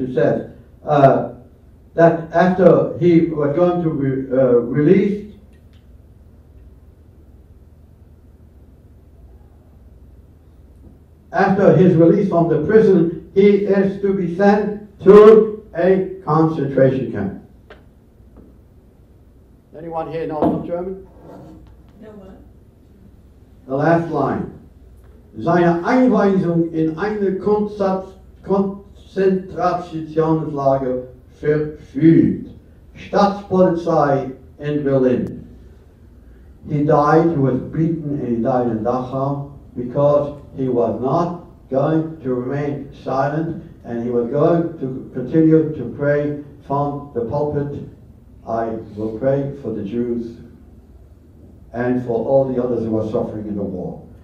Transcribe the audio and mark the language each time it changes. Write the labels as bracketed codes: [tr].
[en] It says that after he was going to be released, after his release from the prison, he is to be sent to a concentration camp. Anyone here know some German? No one. The last line. [de] Seine Einweisung in eine Konzentrationslager verfügt. Staatspolizei in Berlin. [en] He died, he was beaten, and he died in Dachau because he was not going to remain silent, and he was going to continue to pray from the pulpit, "I will pray for the Jews and for all the others who are suffering in the war."